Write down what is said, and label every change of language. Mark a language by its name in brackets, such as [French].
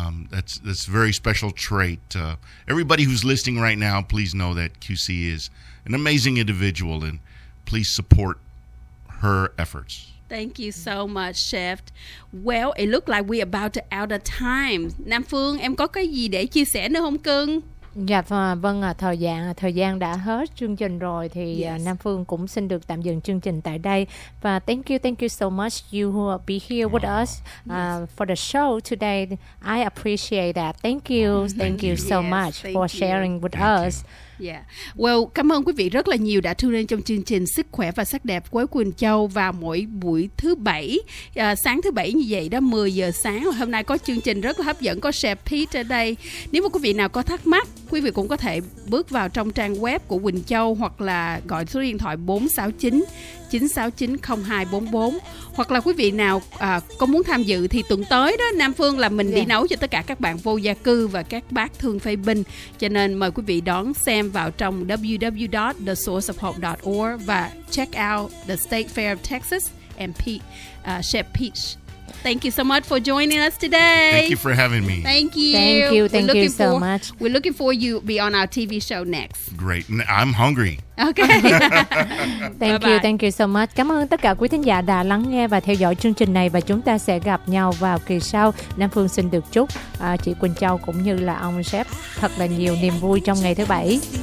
[English] That's a very special trait. Everybody who's listening right now, please know that QC is an amazing individual, and please support her efforts. Thank you so much, Chef. Well, it looks like we're about to out of time. [Vietnamese] Nam Phương, em có cái gì để chia sẻ nữa không cưng? Dạ vâng, thời gian đã hết chương trình rồi, thì Nam Phương cũng xin được tạm dừng chương trình tại đây. [English] Và thank you so much you who will be here with us for the show today. I appreciate that. Thank you so much for sharing with us. Yeah. [Vietnamese] Well, cảm ơn quý vị rất là nhiều đã [English] tune in [Vietnamese] trong chương trình Sức Khỏe và Sắc Đẹp với Quỳnh Châu vào mỗi buổi thứ bảy, sáng thứ bảy như vậy đó, 10 giờ sáng. Hôm nay có chương trình rất là hấp dẫn, có Chef Pete ở đây. Nếu mà quý vị nào có thắc mắc, quý vị cũng có thể bước vào trong trang web của Quỳnh Châu hoặc là gọi số điện thoại 469-969-0244. Hoặc là quý vị nào có muốn tham dự thì tuần tới đó, Nam Phương là mình đi nấu cho tất cả các bạn vô gia cư và các bác thương phê bình. Cho nên mời quý vị đón xem vào trong www.thesourceofhope.org và [English] check out the State Fair of Texas and Chef Peach. Thank you so much for joining us today. Thank you for having me. Thank you. Thank you. Thank you so much. We're looking for you to be on our TV show next. Great. I'm hungry. Okay. Thank you. Thank you so much. [Vietnamese] Cảm ơn tất cả quý thính giả đã lắng nghe và theo dõi chương trình này, và chúng ta sẽ gặp nhau vào kỳ sau. Nam Phương xin được chúc chị Quỳnh Châu cũng như là ông Sếp thật là nhiều niềm vui trong ngày thứ bảy.